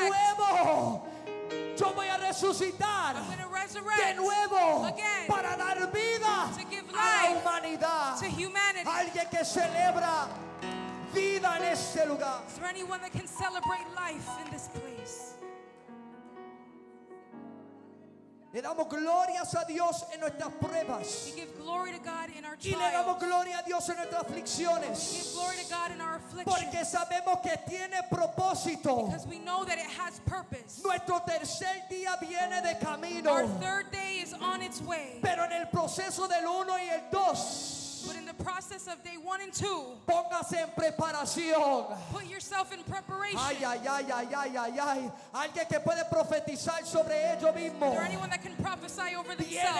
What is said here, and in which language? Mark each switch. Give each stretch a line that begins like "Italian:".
Spanish: De nuevo, yo voy a resucitar.
English: I'm going to resurrect.
Spanish: De nuevo,
English: again,
Spanish: para dar vida
English: to give life
Spanish: a la humanidad.
English: To humanity.
Spanish: Alguien que celebra vida en este lugar.
English: Is there anyone that can celebrate life in this place?
Spanish: Le damos glorias a Dios en nuestras pruebas.
English: We give glory to God in our trials.
Spanish: Y le damos gloria a Dios en nuestras aflicciones.
English: We give glory to God in our afflictions.
Spanish: Porque sabemos que tiene propósito.
English: Because we know that it has purpose.
Spanish: Nuestro tercer día viene de camino.
English: Our third day is on its way.
Spanish: Pero en el proceso del uno y el dos.
English: But in the process of day one and two.
Spanish: Póngase en preparación.
English: Put yourself in preparation.
Spanish: Ay, ay, ay, ay, ay, ay, ay. Alguien que puede profetizar sobre ello mismo.
English: Is there anyone that can prophesy over themselves?